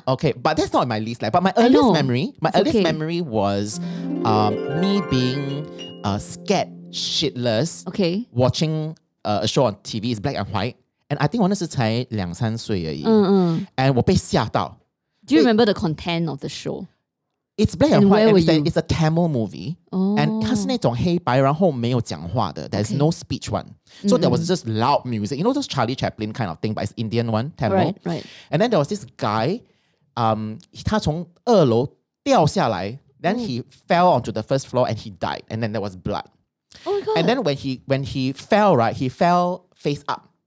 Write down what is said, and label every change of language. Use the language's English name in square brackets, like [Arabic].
[English] But that's not my least. Like, but my earliest memory, memory was me being scared shitless. Okay. Watching a show on TV, it's black and white. And I think [Chinese] 我那时才两三岁而已.And 我被吓到. [English] Do you remember the content of the show? It's black and white, and it's a Tamil movie. Oh. [Chinese] And 它是那种黑白然后没有讲话的. [English] There's no speech one. So there was just loud music. You know those Charlie Chaplin kind of thing, but it's Indian one, Tamil. Right, right. And then there was this guy, [Chinese] 他从二楼掉下来, [English] then he fell onto the first floor and he died. And then there was blood. Oh my God. And then when he fell, right, he fell face up.